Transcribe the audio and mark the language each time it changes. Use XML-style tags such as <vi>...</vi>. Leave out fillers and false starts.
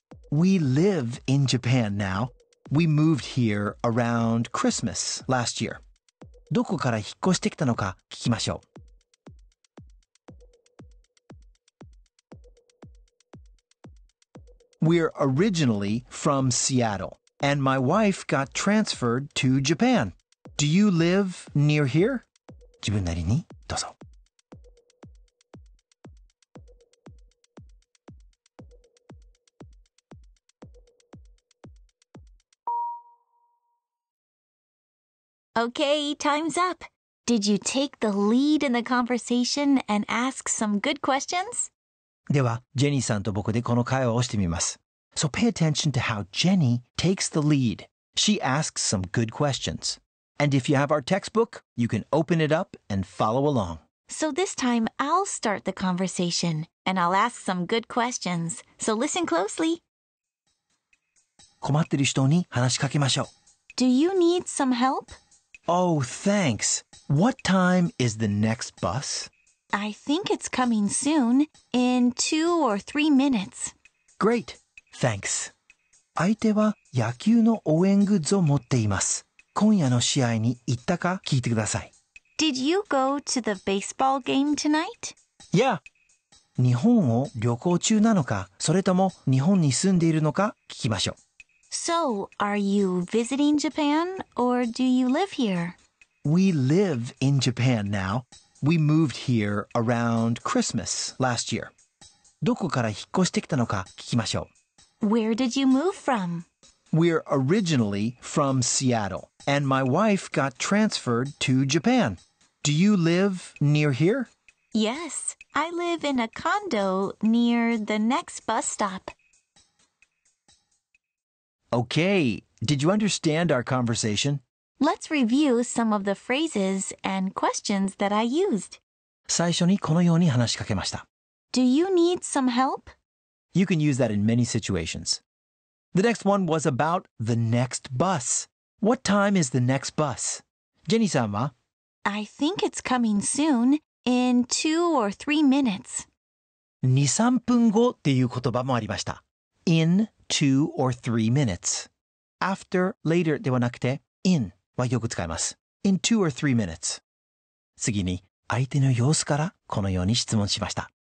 <en>We live in Japan now. We moved here around Christmas last year.</en> <ja>どこから引っ越してきたのか聞きましょう。</ja> <en>We're originally from Seattle, and my wife got transferred to Japan. Do you live near here?</en> <ja>自分なりにどうぞ。</ja> <en>Okay, time's up. Did you take the lead in the conversation and ask some good questions?</en> <ja>では、ジェニーさんと僕でこの会話をしてみます。</ja> <en>So pay attention to how Jenny takes the lead. She asks some good questions. And if you have our textbook, you can open it up and follow along. So this time, I'll start the conversation and I'll ask some good questions. So listen closely.</en> <ja>困ってる人に話しかけましょう。</ja> <en>Do you need some help? Oh, thanks. What time is the next bus? I think it's coming soon, in 2 or 3 minutes. Great, thanks.</en> <ja>相手は野球の応援グッズを持っています。今夜の試合に行ったか聞いてください。</ja> <en>Did you go to the baseball game tonight? Yeah.</en> <ja>日本を旅行中なのか、それとも日本に住んでいるのか聞きましょう。</ja> <en>So, are you visiting Japan or do you live here? We live in Japan now. We moved here around Christmas last year.</en> <ja>どこから引っ越してきたのか聞きましょう。</ja> <en>Where did you move from? We're originally from Seattle, and my wife got transferred to Japan. Do you live near here? Yes, I live in a condo near the next bus stop. Okay, did you understand our conversation? Let's review some of the phrases and questions that I used.</en> <ja>最初にこのように話しかけました。</ja> <en>Do you need some help? You can use that in many situations. The next one was about the next bus. What time is the next bus? Jenny-san wa? I think it's coming soon, in 2 or 3 minutes.</en> <ja>2-3 分後っていう言葉もありました。</ja> <en>In 2 or 3 minutes.</en> <ja>After, later ではなくて in はよく使います。</ja> <en>In 2 or 3 minutes.</en> <ja>次に相手の様子からこのように質問しました。</ja>